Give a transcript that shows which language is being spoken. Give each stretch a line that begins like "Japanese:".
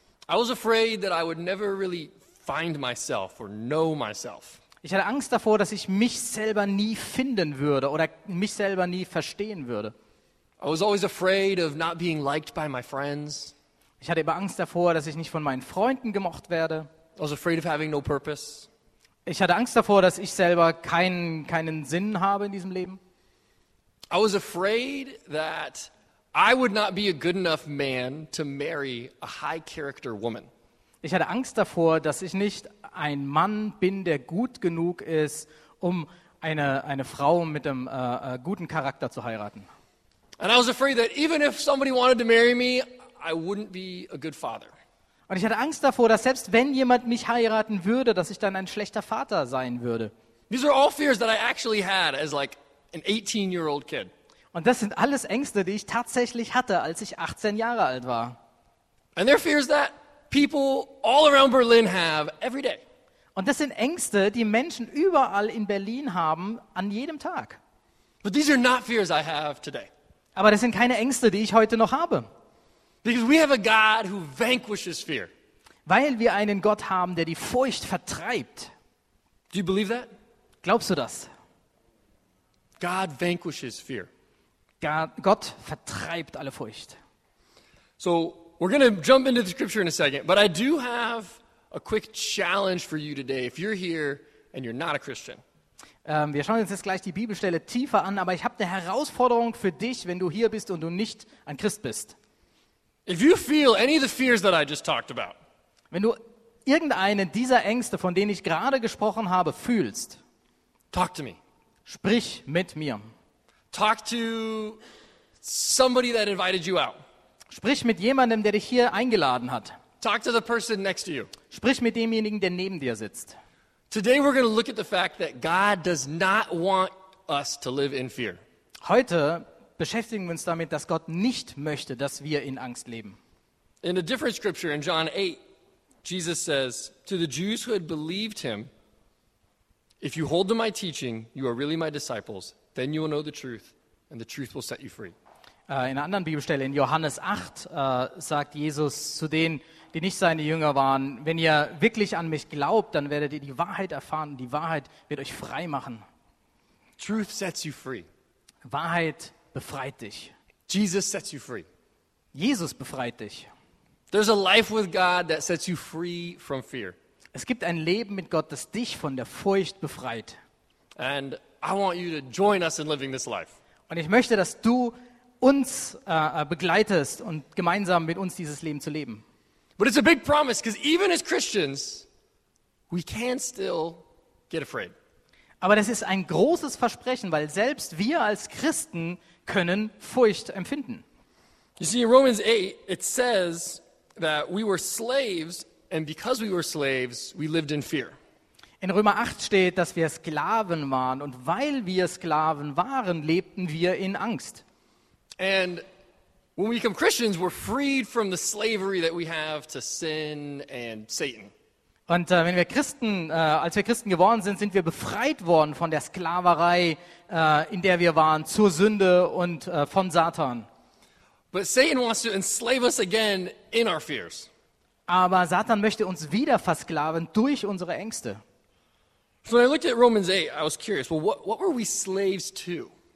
English: I was afraid that I would never really find myself or know myself.
German: Ich hatte Angst davor, dass ich mich selber nie finden würde oder mich selber nie verstehen würde.
English: I was always afraid of not being liked by my friends.
German: Ich hatte immer Angst davor, dass ich nicht von meinen Freunden gemocht werde.
English: I was afraid of having no purpose.
German: Ich hatte Angst davor, dass ich selber keinen Sinn habe in diesem Leben.
English: I was afraid that I would not be a good enough man to marry a high character woman.
German: Ich hatte Angst davor, dass ich nicht ein Mann bin, der gut genug ist, um eine Frau mit einem guten Charakter zu heiraten.
English: And I was afraid that even if somebody wanted to marry me, I wouldn't be a good father.
German: Und ich hatte Angst davor, dass selbst wenn jemand mich heiraten würde, dass ich dann ein schlechter Vater sein würde.
English: These are all fears that I actually had as like an 18-year-old kid.
German: Und das sind alles Ängste, die ich tatsächlich hatte, als ich 18 Jahre alt war.
English: And they're fears that people all around Berlin have every day.
German: Und das sind Ängste, die Menschen überall in Berlin haben, an jedem Tag.
English: But these are not fears I have today.
German: Aber das sind keine Ängste, die ich heute noch habe.
English: Because we have a God who vanquishes fear.
German: Weil wir einen Gott haben, der die Furcht vertreibt.
English: Do you believe that?
German: Glaubst du das?
English: God vanquishes fear.
German: Gott vertreibt alle Furcht.
English: So, we're going to jump into the scripture in a second, but I do have a quick challenge for you today if you're here and you're not a Christian.
German: Wir schauen uns jetzt gleich die Bibelstelle tiefer an, aber ich habe eine Herausforderung für dich, wenn du hier bist und du nicht ein Christ bist.
English: If you feel any of the fears that I just talked about,
German: wenn du irgendeine dieser Ängste, von denen ich gerade gesprochen habe, fühlst,
English: talk to me.
German: Sprich mit mir.
English: Talk to somebody that invited you out.
German: Sprich mit jemandem, der dich hier eingeladen hat.
English: Talk to the person next to you.
German: Sprich mit demjenigen, der neben dir sitzt.
English: Today we're going to look at the fact that God does not want us to live in fear.
German: Heute beschäftigen wir uns damit, dass Gott nicht möchte, dass wir in Angst leben.
English: In a different scripture in John 8, Jesus says to the Jews who had believed him, "If you hold to my teaching, you are really my disciples. Then you will know the truth, and the truth will set you free."
German: In einer anderen Bibelstelle in Johannes 8 sagt Jesus zu denen, die nicht seine Jünger waren, wenn ihr wirklich an mich glaubt, dann werdet ihr die Wahrheit erfahren und die Wahrheit wird euch frei machen.
English: Truth sets you free.
German: Wahrheit befreit dich.
English: Jesus sets you free.
German: Jesus befreit dich.
English: There's a life with God that sets you free from fear.
German: Es gibt ein Leben mit Gott, das dich von der Furcht befreit.
English: And I want you to join us in living this life.
German: Und ich möchte, dass du uns begleitest und gemeinsam mit uns dieses Leben zu leben.
English: But it's a big promise, because even as Christians, we can still get afraid.
German: Aber das ist ein großes Versprechen, weil selbst wir als Christen können Furcht empfinden.
English: You see, in Romans 8, it says that we were slaves, and because we were slaves, we lived in fear.
German: In Römer 8 steht, dass wir Sklaven waren, und weil wir Sklaven waren, lebten wir in Angst.
English: And when we become Christians, we're freed from the slavery that we have to sin and Satan.
German: Und wenn wir Christen, als wir Christen geworden sind, sind wir befreit worden von der Sklaverei, in der wir waren, zur Sünde und von Satan.
English: But Satan wants to enslave us again in our fears.
German: Aber Satan möchte uns wieder versklaven durch unsere Ängste.
English: So when I looked at Romans 8, I was curious, well, what were we slaves to?